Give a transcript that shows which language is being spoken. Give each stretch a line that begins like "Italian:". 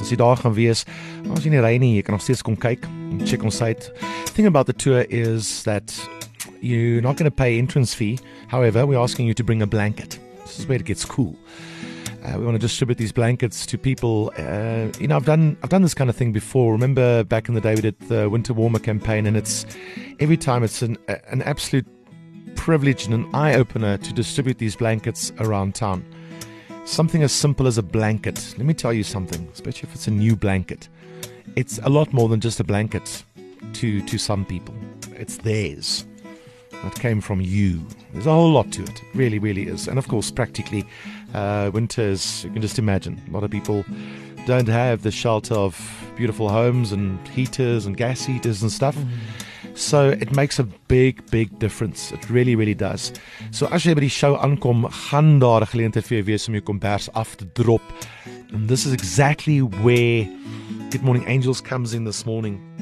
Afrikaans: As jy daar gaan wees, ons in die ry nie, jy kan nog steeds kom kyk en check ons site.
English: Thing about the tour is that you're not going to pay entrance fee. However, we're asking you to bring a blanket. This is where it gets cool. We want to distribute these blankets to people. You know, I've done this kind of thing before. Remember back in the day we did the Winter Warmer campaign, and it's every time it's an absolute privilege and an eye-opener to distribute these blankets around town. Something as simple as a blanket. Let me tell you something, especially if it's a new blanket. It's a lot more than just a blanket to some people. It's theirs. That came from you. There's a whole lot to it. It really, really is. And of course, practically, winters, you can just imagine. A lot of people don't have the shelter of beautiful homes and heaters and gas heaters and stuff. So it makes a big, big difference. It really, really does.
Afrikaans: So as jy by die show aankom, gaan daar 'n geleentheid vir jou wees om jou kombers af te drop.
English: And this is exactly where Good Morning Angels comes in this morning.